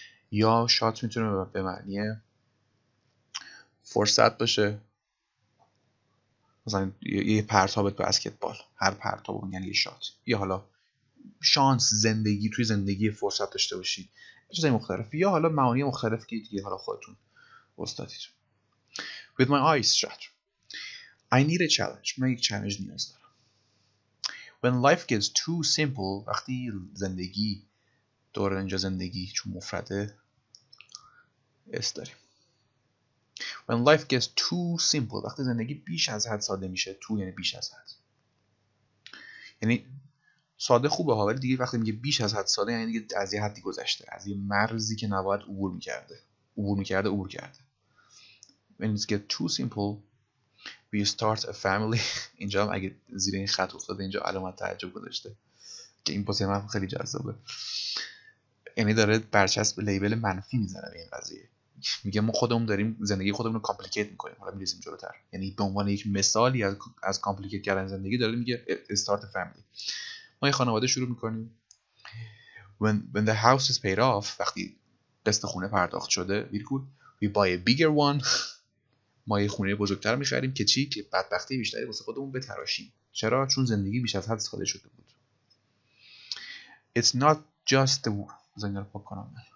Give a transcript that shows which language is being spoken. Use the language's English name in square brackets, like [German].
[Persian] یا شات میتونه به معنی فرصت باشه، مثلا یه پرتابت بسکتبال، هر پرتاب یعنی یه شات. یا حالا شانس، زندگی، توی زندگی فرصت داشته باشید، چیزای مختلف. یا حالا معانی مختلف که دیگه حالا خودتون استادید. [English] With my eyes shut I need a challenge. [Persian] من یک چالش نیاز دارم. [English] When life gets too simple، [Persian] وقتی زندگی دور اینجا زندگی چون مفرده است داریم. [English] When life gets too simple، [Persian] وقتی زندگی بیش از حد ساده میشه. تو یعنی بیش از حد، یعنی ساده خوبه ها، ولی دیگه وقتی میگه بیش از حد ساده یعنی دیگه از یه حدی گذشته، از یه مرزی که نباید عبور میکرده، عبور کرده. [English] When it gets too simple we start a family. [Persian] اینجا هم اگه زیر این خط افتاده اینجا علامت تعجب گذاشته که این پوزیشن هم خیلی جذابه، یعنی داره برچسب لیبل منفی میزنه به این قضیه. میگه ما خودمون داریم زندگی خودمون رو کامپلیکیت میکنیم. حالا میریزیم جلوتر، یعنی به عنوان یک مثالی از کامپلیکیت کردن زندگی داره میگه استارت فامیلی، ما یه خانواده شروع میکنیم. [English] When the house is paid off، [Persian] وقتی قسط خونه پرداخت شده، [English] we buy a bigger one. [Persian] ما یه خونه بزرگتر میخریم که چی؟ که بدبختی بیشتری واسه خودمون بتراشیم. چرا؟ چون زندگی بیش از حد ساده شده بود. [English] It's not just the war. [Persian] زنگ رو پاک کنم.